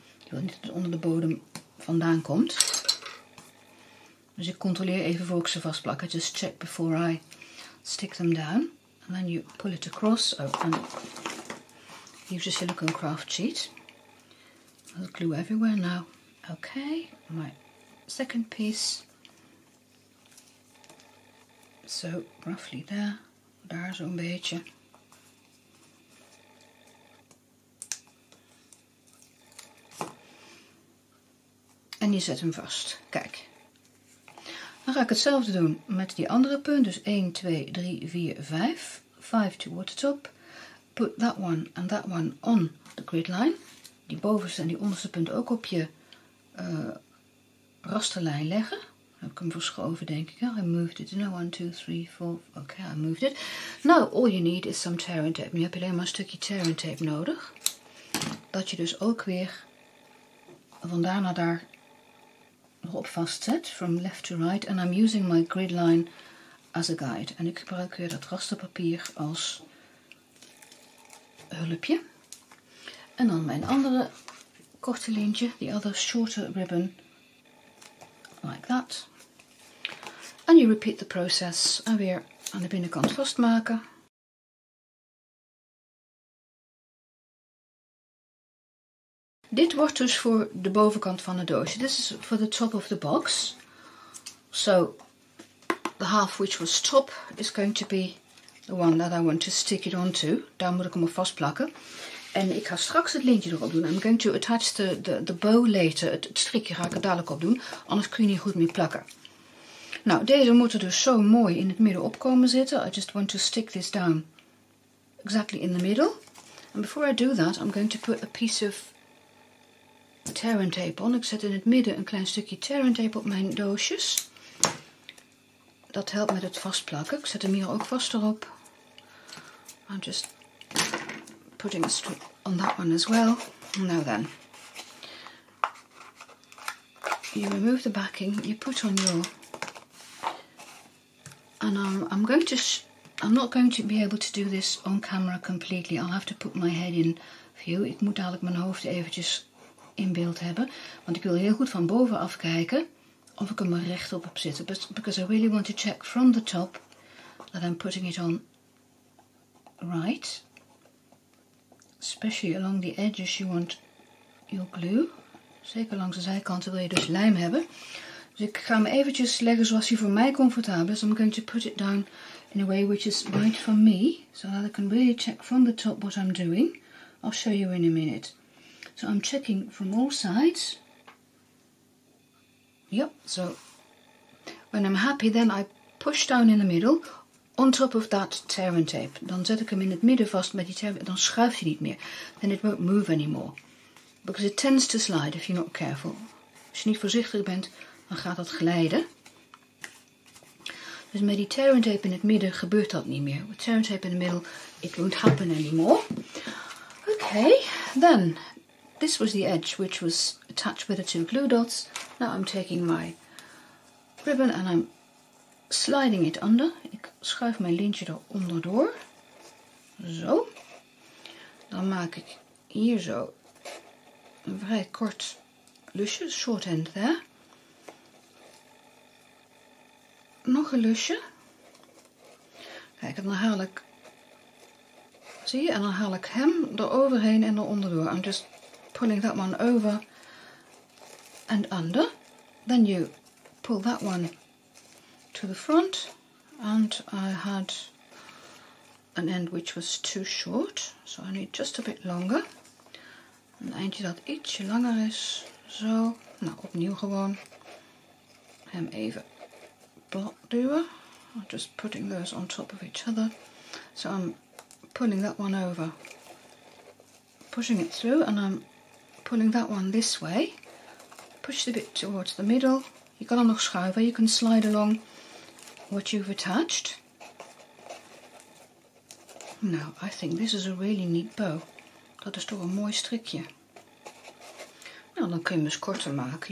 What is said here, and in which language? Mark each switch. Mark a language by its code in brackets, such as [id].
[nl] Je wilt niet dat het onder de bodem vandaan komt. Dus ik controleer even voor ik ze vastplak. [en] I just check before I stick them down. And then you pull it across. Oh, and use a silicone craft sheet. I'll glue everywhere now. Okay, my second piece. So, roughly there. [nl] Daar zo'n beetje. En je zet hem vast. Kijk. Dan ga ik hetzelfde doen met die andere punt. [en] Dus 1, 2, 3, 4, 5. 5 toward the top. Put that one and that one on the grid line. [nl] Die bovenste en die onderste punt ook op je rasterlijn leggen. Heb ik hem verschoven, denk ik. [en] I moved it. No, 1, 2, 3, 4. Okay, I moved it. Now, all you need is some tearing tape. [nl] Nu heb je alleen maar een stukje tearing tape nodig. Dat je dus ook weer van daar naar daar nog op vastzet. [en] From left to right. And I'm using my grid line as a guide. [nl] En ik gebruik weer dat rasterpapier als hulpje. En dan mijn andere korte lintje. [en] The other shorter ribbon. Like that. And you repeat the process. [nl] En weer aan de binnenkant vastmaken. Dit wordt dus voor de bovenkant van de doosje. [en] This is for the top of the box. So the half which was top is going to be the one that I want to stick it onto. [nl] Daar moet ik hem op vastplakken. En ik ga straks het lintje erop doen. [en] I'm going to attach the bow later. [nl] Het strikje ga ik er dadelijk op doen. Anders kun je niet goed mee plakken. Nou, deze moet er dus zo mooi in het midden op komen zitten. [en] I just want to stick this down exactly in the middle. And before I do that, I'm going to put a piece of tearing tape on. [nl] Ik zet in het midden een klein stukje tearing tape op mijn doosjes. Dat helpt met het vastplakken. Ik zet hem hier ook vast erop. [en] I'm just putting a strip on that one as well. Now then, you remove the backing, you put on your, and I'm not going to be able to do this on camera completely. I'll have to put my head in view. [nl] Ik moet dadelijk mijn hoofd eventjes in beeld hebben, want ik wil heel goed van boven af kijken of ik hem er recht op zit. [en] Because I really want to check from the top that I'm putting it on right. Especially along the edges you want your glue. [nl] Zeker langs de zijkanten wil je dus lijm hebben. Dus ik ga hem eventjes leggen zoals hij voor mij comfortabel is. [en] I'm going to put it down in a way which is right for me. So that I can really check from the top what I'm doing. I'll show you in a minute. So I'm checking from all sides. Yep, so when I'm happy then I push down in the middle. On top of that tearing tape. [nl] Dan zet ik hem in het midden vast met die tearing tape. Dan schuift hij niet meer. [en] Then it won't move anymore. Because it tends to slide if you're not careful. [nl] Als je niet voorzichtig bent, dan gaat dat glijden. Dus met die tearing tape in het midden gebeurt dat niet meer. [en] With tearing tape in the middle, it won't happen anymore. Okay, then. This was the edge which was attached with the two glue dots. Now I'm taking my ribbon and I'm sliding it under. [nl] Ik schuif mijn lintje er onderdoor. Zo. Dan maak ik hier zo een vrij kort lusje. [en] Short end there. [nl] Nog een lusje. Kijk, en dan haal ik, zie je, en dan haal ik hem eroverheen en eronderdoor. [en] I'm just pulling that one over and under. Then you pull that one to the front, and I had an end which was too short, so I need just a bit longer. [nl] Een eindje dat ietsje langer is. Zo. Nou, opnieuw gewoon. Hem even plat duwen. [en] I'm just putting those on top of each other. So I'm pulling that one over. Pushing it through and I'm pulling that one this way. Push the bit towards the middle. [nl] Je kan hem nog schuiven. [en] You can slide along what you've attached. Now, I think this is a really neat bow. [nl] Dat is toch een mooi strikje. Nou, dan kun je hem eens korter maken.